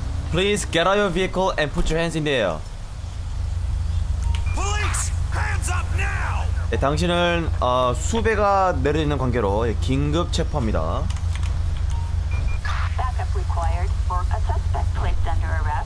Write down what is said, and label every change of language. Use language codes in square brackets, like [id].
[en] Please get out of your vehicle and put your hands in the air. Police, hands up now. [ko] 네, 당신은 수배가 내려 있는 관계로 긴급 체포합니다. [en] Backup required for a suspect placed under arrest.